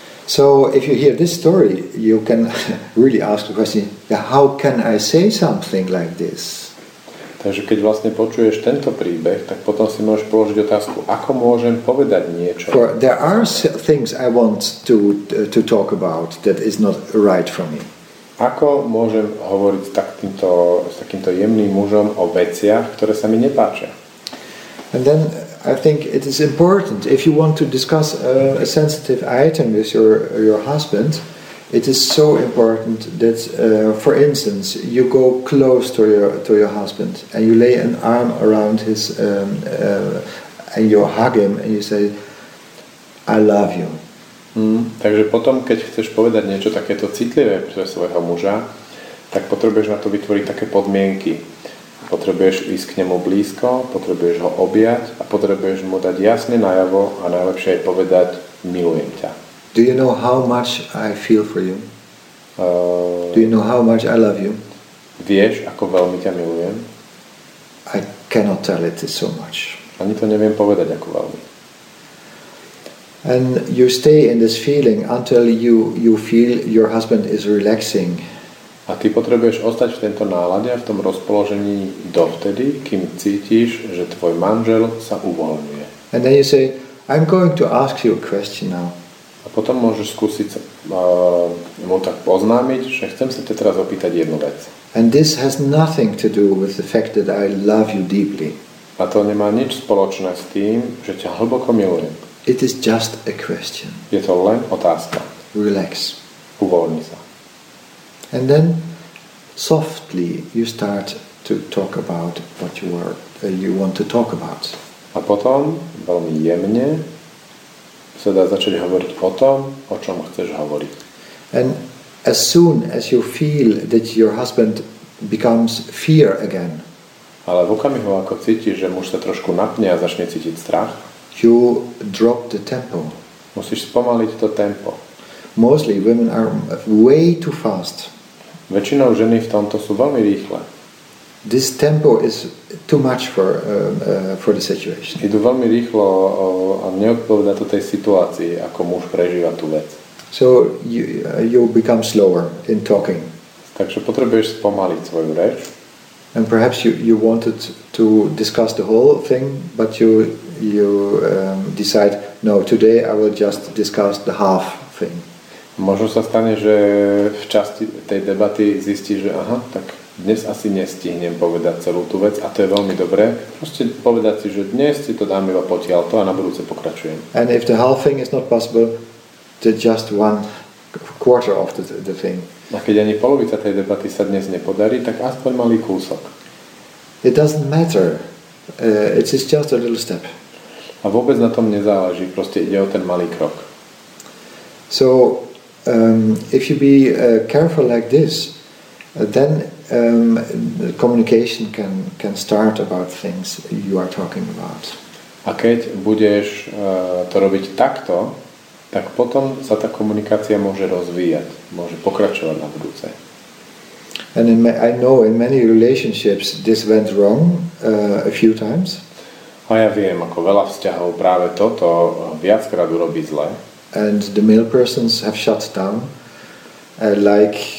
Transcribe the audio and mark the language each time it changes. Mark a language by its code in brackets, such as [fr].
[en] So if you hear this story, you can really ask the question, how can I say something like this? [sk] Takže keď vlastne počuješ tento príbeh, tak potom si môžeš položiť otázku, ako môžem povedať niečo. [en] For there are things I want to talk about that is not right for me. [sk] Ako môžem hovoriť s takýmto jemným mužom o veciach, ktoré sa mi nepáčia? [en] And then I think it is important if you want to discuss a sensitive item with your husband, it is so important that for instance you go close to your husband and you lay an arm around his and you hug him and you say I love you. [sk] Takže potom keď chceš povedať niečo takéto citlivé pre svojho muža, tak potrebuješ na to vytvoriť také podmienky. Potrebuješ ísť k nemu blízko, potrebuješ ho objať a potrebuješ mu dať jasne najavo a najlepšie aj povedať milujem ťa. [en] Do you know how much I feel for you? Do you know how much I love you? [sk] Vieš, ako veľmi ťa milujem? [en] I cannot tell it so much. [sk] Ani to neviem povedať, ako veľmi. [en] And you stay in this feeling until you feel your husband is relaxing. [sk] A ty potrebuješ ostať v tento nálade a v tom rozpoložení dovtedy, kým cítiš, že tvoj manžel sa uvoľňuje. [en] And then you say, I'm going to ask you a question now. [sk] A potom môžeš skúsiť mu tak oznámiť, že chcem sa te teraz opýtať jednu vec. [en] And this has nothing to do with the fact that I love you deeply. [sk] A to nemá nič spoločné s tým, že ťa hlboko milujem. [en] It is just a question. [sk] Je to len otázka. [en] Relax. [sk] Uvoľni sa. [en] And then softly you start to talk about what you were you want to talk about. [sk] A potom veľmi jemne sa dá začať hovoriť o tom, o čom chceš hovoriť. [en] And as soon as you feel that your husband becomes fear again. [sk] Ale v okamihu, ako cítiš, že muž sa trošku napne a začne cítiť strach, [en] you drop the tempo. [sk] Musíš spomaliť to tempo. [en] Mostly women are way too fast. [sk] Väčšinou ženy v tomto sú veľmi rýchle. [en] This tempo is too much for the situation. [sk] Idú veľmi rýchlo a neodpovedá to tej situácii, ako muž prežíva tú vec. [en] So you become slower in talking. [sk] Takže potrebuješ spomaliť svoju reč. [en] And perhaps you wanted to discuss the whole thing, but you decide, no, today I will just discuss the half thing. [sk] Možno sa stane, že v časti tej debaty zistíš, že aha, tak dnes asi nestihnem povedať celú tú vec a to je veľmi dobré. Proste povedať si, že dnes si to dám iba potiaľ to a na budúce pokračujem. [en] And if the whole thing is not possible, then just one quarter of the thing. [sk] A keď ani polovica tej debaty sa dnes nepodarí, tak aspoň malý kúsok. [en] It doesn't matter. It's just a little step. [sk] A vôbec na tom nezáleží, proste ide o ten malý krok. [en] So if you be careful like this, then communication can start about things you are talking about. [sk] A keď budeš to robiť takto, tak potom sa tá komunikácia môže rozvíjať, môže pokračovať na budúce. [en] And I know in many relationships this went wrong a few times. [sk] A ja viem, ako veľa vzťahov práve toto viackrát urobí zle. [en] And the male persons have shut down like